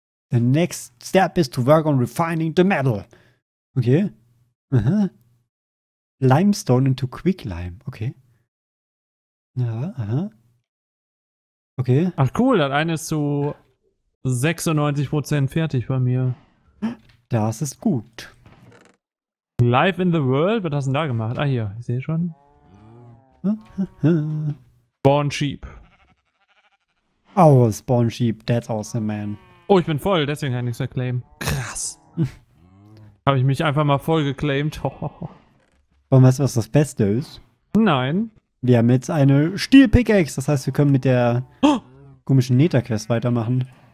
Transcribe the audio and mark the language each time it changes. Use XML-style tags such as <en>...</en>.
<en>The next step is to work on refining the metal. Okay. Aha. Limestone into Quick Lime. Okay. Ja, aha. Okay.</en> <de>Ach cool, das eine ist zu 96% fertig bei mir. Das ist gut.</de> <en>Live in the world?</en> <de>Was hast du denn da gemacht? Ah, hier, ich sehe schon. Spawn Sheep.</de> <en>Oh, Spawn Sheep, that's awesome, man.</en> <de>Oh, ich bin voll, deswegen kann ich nichts mehr claimen. Krass. Habe ich mich einfach mal voll geclaimed. Und weißt du, was das Beste ist? Nein. Wir haben jetzt eine Stielpickaxe, das heißt, wir können mit der komischen Nether-Quest weitermachen.</de>